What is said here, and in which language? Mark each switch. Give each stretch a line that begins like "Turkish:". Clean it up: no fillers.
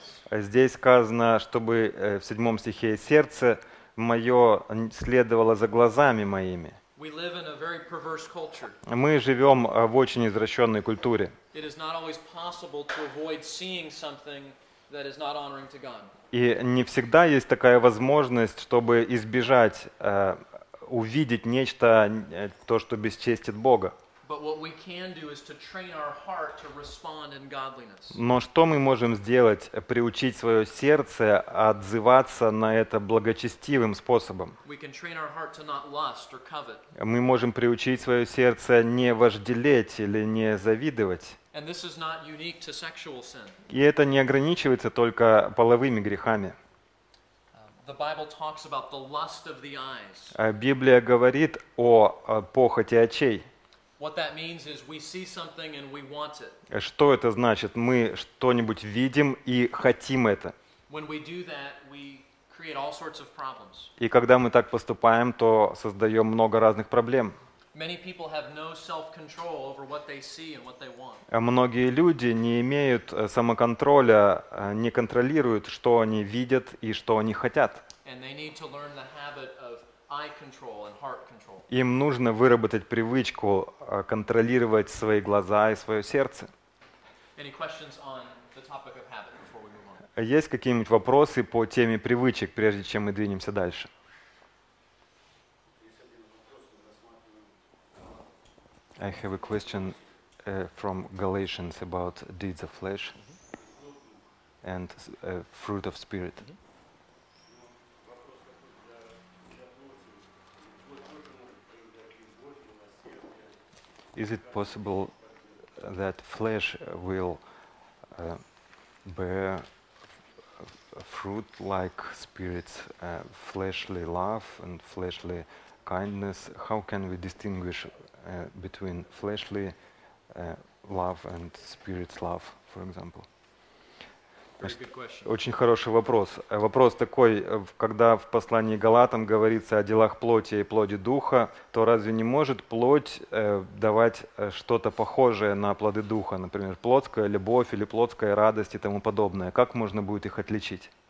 Russian: Здесь сказано, чтобы в 7 стихе сердце мое следовало за глазами моими.
English: We live in a very perverse culture.
Russian: Мы живем в очень извращенной культуре.
English: It is not always possible to avoid seeing something that is not honoring to God.
Russian: И не всегда есть такая возможность, чтобы избежать увидеть нечто, то, что бесчестит Бога.
English: But what we can do is to train our heart to respond in godliness.
Russian: Но что мы можем сделать? Приучить свое сердце отзываться на это благочестивым способом.
English: We can train our heart to not lust or covet.
Russian: Мы можем приучить свое сердце не вожделеть или не завидовать.
English: And this is not unique to sexual sin.
Russian: И это не ограничивается только половыми грехами.
English: The Bible talks about the lust of the eyes.
Russian: Библия говорит о похоти очей.
English: What that means is we see something and we want it.
Russian: Что это значит? Мы что-нибудь видим и хотим это.
English: When we do that, we create all sorts of problems.
Russian: И когда мы так поступаем, то создаем много разных проблем.
English: Many people have no self-control over what they see and what they want.
Russian: Многие люди не имеют самоконтроля, не контролируют, что они видят и что они хотят.
English: And they need to learn the habit of eye control and heart control.
Russian: Им нужно выработать привычку контролировать свои глаза и свое сердце.
English: Any questions on the topic of habit before we move on?
Russian: Есть какие-нибудь вопросы по теме привычек, прежде чем мы двинемся дальше?
English: I have a question from Galatians about deeds of flesh and fruit of spirit. Is it possible that flesh will bear fruit like spirit's fleshly love and fleshly kindness? How can we distinguish between fleshly love and spirit's love, for example?
Russian: Очень хороший вопрос. Вопрос такой, когда в послании Галатам говорится о делах плоти и плоди духа, то разве не может плоть давать что-то похожее на плоды духа? Например, плотская любовь или плотская радость и тому подобное. Как можно будет их отличить?